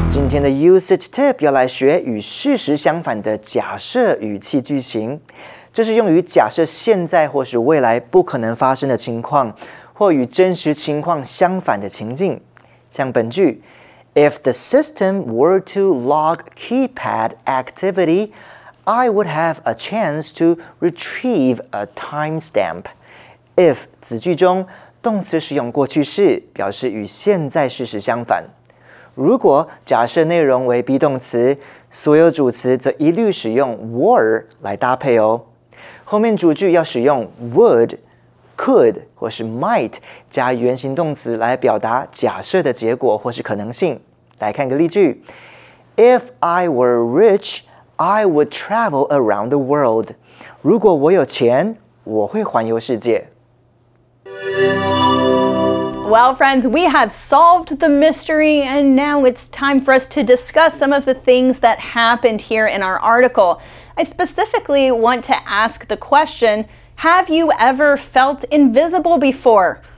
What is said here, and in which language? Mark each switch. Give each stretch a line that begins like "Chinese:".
Chinese: Today's usage tip 要来学与事实相反的假设语气句型，这是用于假设现在或是未来不可能发生的情况，或与真实情况相反的情境。像本句
English: ，If the system were to log keypad activity, I would have a chance to retrieve a timestamp.
Chinese: If 子句中动词使用过去式，表示与现在事实相反。如果假设内容为 be 动词，所有主词则一律使用 were 来搭配哦。后面主句要使用 would、could 或是 might 加原形动词来表达假设的结果或是可能性。来看个例句
English: ：If I were rich, I would travel around the world.
Chinese: 如果我有钱，我会环游世界。
English: Well, friends, we have solved the mystery, and now it's time for us to discuss some of the things that happened here in our article. I specifically want to ask the question, have you ever felt invisible before?